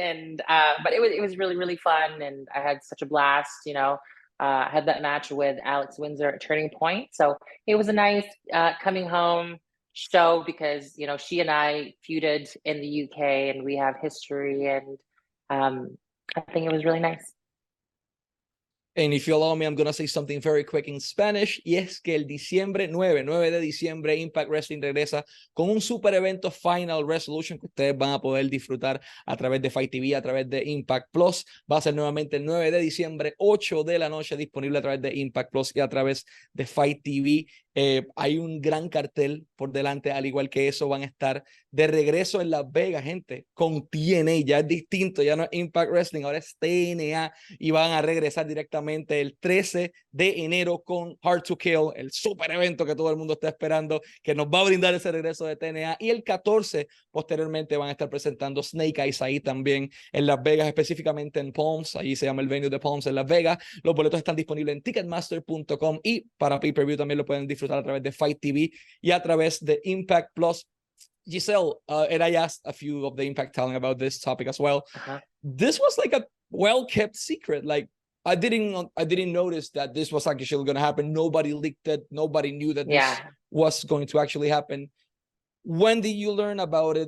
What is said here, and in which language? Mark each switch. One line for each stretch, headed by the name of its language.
English: And but it was really, really fun. And I had such a blast, you know, I had that match with Alex Windsor at Turning Point. So it was a nice coming home show because, you know, she and I feuded in the UK and we have history. And I think it was really nice. And if you allow me, I'm going to say something very quick in Spanish.
Spanish: Y es que el diciembre 9, 9 de diciembre, Impact Wrestling regresa con un super evento Final Resolution que ustedes van a poder disfrutar a través de Fight TV, a través de Impact Plus. Va a ser nuevamente el 9 de diciembre, 8 de la noche, disponible a través de Impact Plus y a través de Fight TV. Hay un gran cartel por delante, al igual que eso, van a estar de regreso en Las Vegas, gente, con TNA, ya es distinto, ya no es Impact Wrestling, ahora es TNA, y van a regresar directamente el 13 de enero con Hard to Kill, el super evento que todo el mundo está esperando, que nos va a brindar ese regreso de TNA, y el 14, posteriormente, van a estar presentando Snake Eyes ahí también, en Las Vegas, específicamente en Palms, allí se llama el venue de Palms en Las Vegas. Los boletos están disponibles en Ticketmaster.com y para pay-per-view también lo pueden disfrutar a través de Fight TV y a través de Impact Plus.
English: Giselle, and I asked a few of the Impact talent about this topic as well. This was like a well-kept secret. Like, I didn't notice that this was actually going to happen. Nobody leaked it. Nobody knew that this was going to actually happen. When did you learn about it?